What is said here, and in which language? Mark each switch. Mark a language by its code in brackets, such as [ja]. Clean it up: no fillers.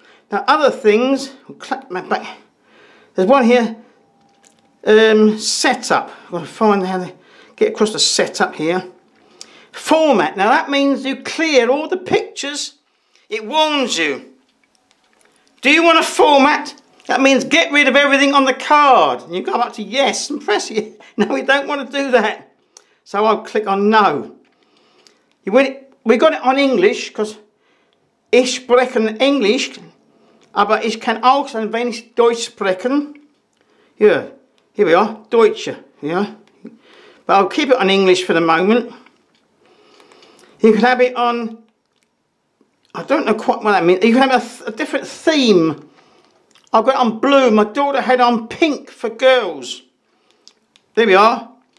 [en] Now other things, I'll clap my back, there's one here, setup, I've got to find how to get across the setup here. Format, now that means you clear all the pictures, it warns you. Do you want to format? That means get rid of everything on the card. And you come up to yes and press it. No, we don't want to do that. So I'll click on no. We got it on English because [de] ich sprechen English, aber ich kann auch ein wenig Deutsch sprechen. [en] Yeah, here we are, Deutsche, yeah. But I'll keep it on English for the moment. You can have it on, I don't know quite what that means. You can have a different theme. I've got it on blue. My daughter had on pink for girls. There we are.